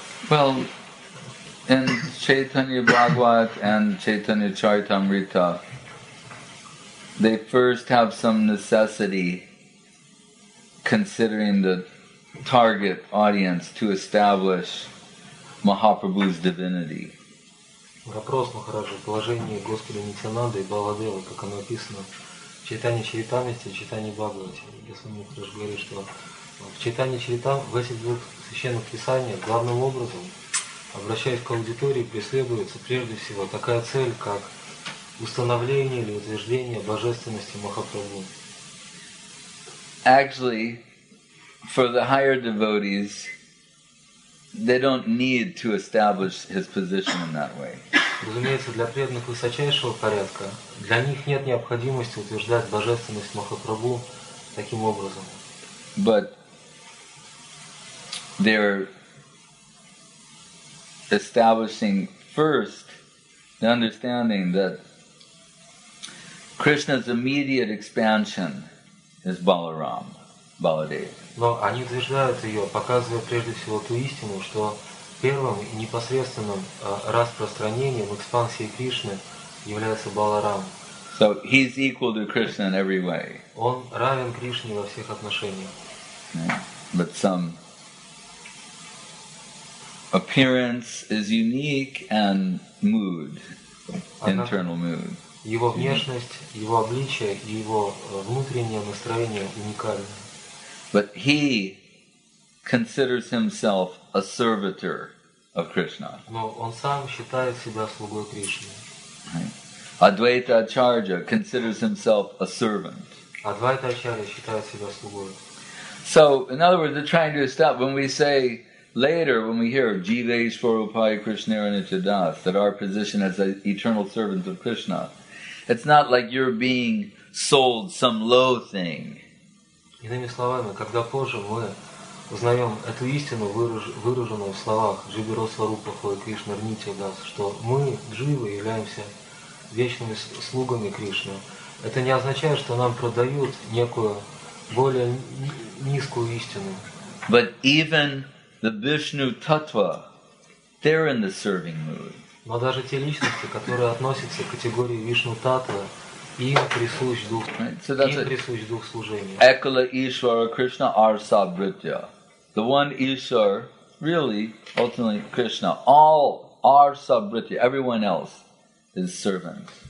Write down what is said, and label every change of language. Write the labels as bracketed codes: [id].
[en] Well, in Chaitanya Bhagavat and Chaitanya Charitamrita, they first have some necessity, considering the target audience, to establish Mahaprabhu's divinity. [ru] Вопрос, Махарадж, о положении Господа Нитянанды и Баладева, как оно описано в Чайтане Чаритамрите и Чайтане Бхагавате. Если Махарадж говорит, что в Чайтане Чаритамрите, в этих двух священных писаниях, главным образом, обращаясь к аудитории, преследуется прежде всего такая цель, как установление или утверждение божественности Махапрабху. [en] Actually, for the higher devotees, they don't need to establish his position in that way. [ru] Разумеется, для преданных высочайшего порядка, для них нет необходимости утверждать божественность Махапрабху таким образом. [en] But they're establishing first the understanding that Krishna's immediate expansion is Balaram, Baladev. [ru] Но они утверждают ее, показывая прежде всего ту истину, что первым и непосредственным распространением, экспансией Кришны является Баларам. [en] So he's equal to Krishna in every way. [ru] Он равен Кришне во всех отношениях. [en] Yeah. But some appearance is unique and mood, internal mood. [ru] Его внешность, его обличие и его внутреннее настроение уникальны. [en] But he considers himself a servitor of Krishna. [ru] Но он сам считает себя слугой Кришны. [en] Адвайта Ачарья considers himself a servant. [ru] Адвайта Ачарья считает себя слугой. [en] So, in other words, they're trying to establish, when we say later, when we hear [bn] Jiveshwarupai Krishnaranitya Das, [en] that our position as an eternal servant of Krishna, it's not like you're being sold some low thing. [ru] Иными словами, когда позже мы узнаем эту истину, выраженную в словах [bn] Jiveshwarupai Krishnaranitya Das, [ru] что мы, дживы, являемся вечными слугами Кришны, это не означает, что нам продают некую более низкую истину. [en] But even the Vishnu Tattva, they're in the serving mood. [ru] Но даже те личности, которые относятся к категории Вишну Таттва, им присущ дух, служения. [bn] Экала Ишвара Кришна Арса Бритья. [en] The one Ishwar, really, ultimately Krishna. All [bn] Арса Бритья, [en] everyone else is servant.